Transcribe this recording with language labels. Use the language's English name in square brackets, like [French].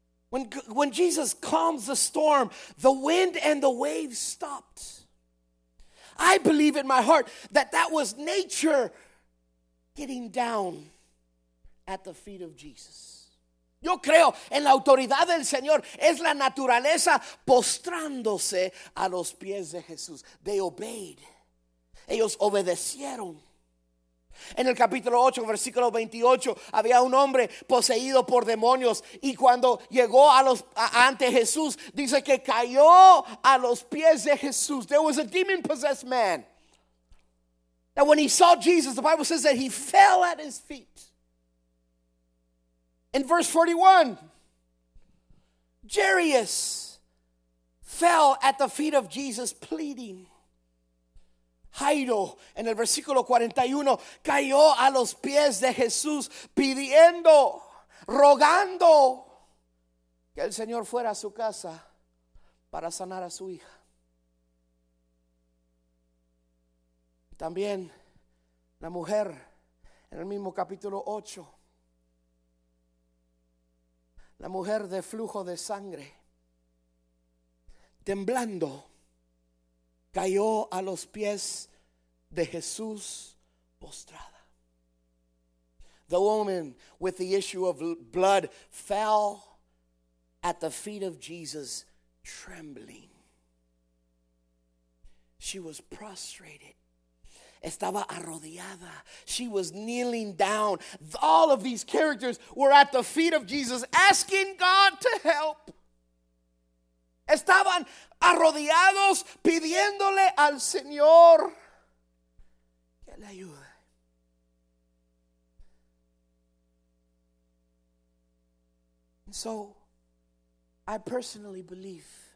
[English] When Jesus calms the storm, the wind and the waves stopped. I believe in my heart that that was nature getting down at the feet of Jesus. [Spanish] Yo creo en la autoridad del Señor. Es la naturaleza postrándose a los pies de Jesús. [English] They obeyed. [Spanish] Ellos obedecieron. En el capítulo 8, versículo 28, había un hombre poseído por demonios. Y cuando llegó ante Jesús, dice que cayó a los pies de Jesús. [English] There was a demon-possessed man. And when he saw Jesus, the Bible says that he fell at his feet. In verse 41, Jairus fell at the feet of Jesus pleading. [Spanish] Jairo, en el versículo 41, cayó a los pies de Jesús pidiendo, rogando que el Señor fuera a su casa para sanar a su hija. También la mujer en el mismo capítulo 8. La mujer de flujo de sangre, temblando, cayó a los pies de Jesús postrada. [English] The woman with the issue of blood fell at the feet of Jesus, trembling. She was prostrated. [Spanish] Estaba arrodillada. [English] She was kneeling down. All of these characters were at the feet of Jesus asking God to help. [Spanish] Estaban arrodillados pidiéndole al Señor que le ayude. [English] And so, I personally believe.